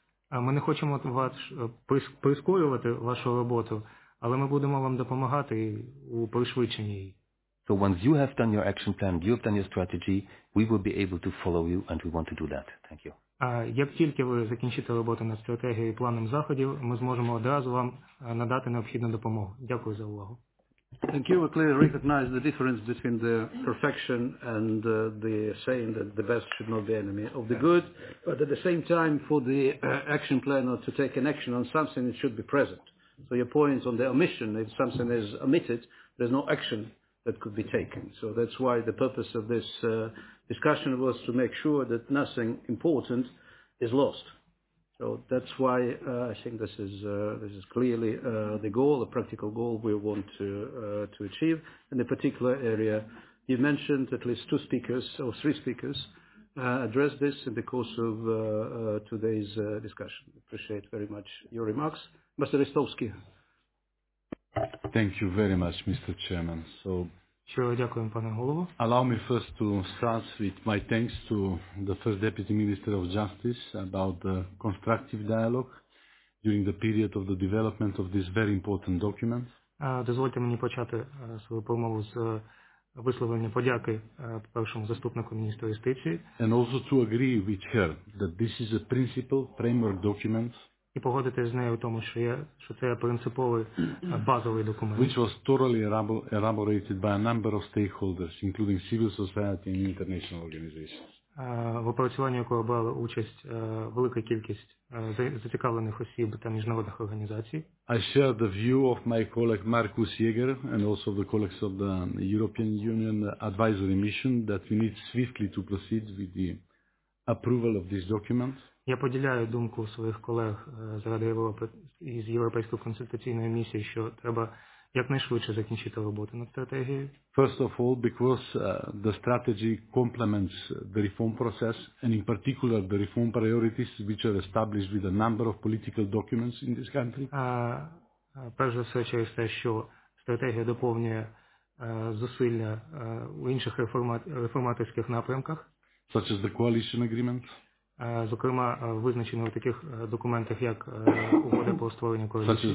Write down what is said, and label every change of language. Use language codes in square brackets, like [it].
[uk] Ми не хочемо прискорювати вашу роботу, але ми будемо вам допомагати у пришвидшенні її. [en] So once you have done your action plan, you have done your strategy, we will be able to follow you and we want to do that. Thank you. [uk] Як тільки ви закінчите роботу над стратегією і планом заходів, ми зможемо одразу вам надати необхідну допомогу. Дякую за увагу. [en] Thank you. We clearly recognize the difference between the perfection and the saying that the best should not be enemy of the good, but at the same time for the action plan or to take an action on something, it should be present. So your point on the omission, if something is omitted, there's no action that could be taken. So that's why the purpose of this discussion was to make sure that nothing important is lost. So that's why I think this is clearly the goal, a practical goal we want to achieve in a particular area. You mentioned at least two speakers or three speakers addressed this in the course of today's discussion. Appreciate very much your remarks. Mr. Ristovsky. Thank you very much, Mr. Chairman. So, [uk] дякуємо, пане голово. [en] Allow me first to start with my thanks to the first Deputy Minister of Justice about the constructive dialogue during the period of the development of this very important document. [uk] Дозвольте мені почати свою промову з висловлення подяки першому заступнику міністра юстиції. [en] And also to agree with her that this is a principal framework document. [uk] І погодитися з нею в тому, що це принциповий базовий документ. [en] Which was thoroughly elaborated by a number of stakeholders, including civil society and international organizations. [uk] В опрацюванні якого брали участь велика кількість зацікавлених осіб та міжнародних організацій. [en] I share the view of my colleague Markus Jäger and also the colleagues of the European Union advisory mission that we need swiftly to proceed with the approval of this document. [uk] Я поділяю думку своїх колег з Ради Європи і з Європейської консультаційної місії, що треба якнайшвидше закінчити роботу над стратегією. [en] First of all, because the strategy complements the reform process and in particular the reform priorities which are established with a number of political documents in this country. [uk] Перш за все через те, що стратегія доповнює зусилля у інших реформаторських напрямках. [en] Such as the coalition agreement. [uk] Зокрема, визначено в таких документах, як угода про створення коаліції.